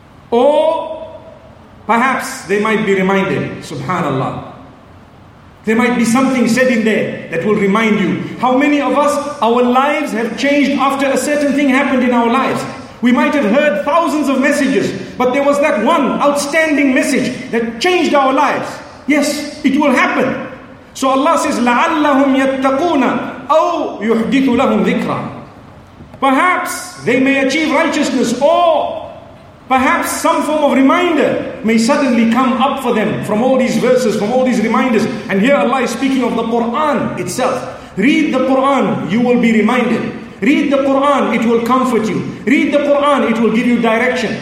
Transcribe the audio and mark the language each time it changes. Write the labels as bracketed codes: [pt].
[en] Or perhaps they might be reminded. Subhanallah. There might be something said in there that will remind you. How many of us, our lives have changed after a certain thing happened in our lives. We might have heard thousands of messages, but there was that one outstanding message that changed our lives. Yes, it will happen. So Allah says, [ar] لَعَلَّهُمْ يَتَّقُونَ أَوْ يُحْدِثُ لَهُمْ ذِكْرًا. [en] Perhaps they may achieve righteousness, or perhaps some form of reminder may suddenly come up for them from all these verses, from all these reminders. And here Allah is speaking of the Quran itself. Read the Quran, you will be reminded. Read the Quran, it will comfort you. Read the Quran, it will give you direction.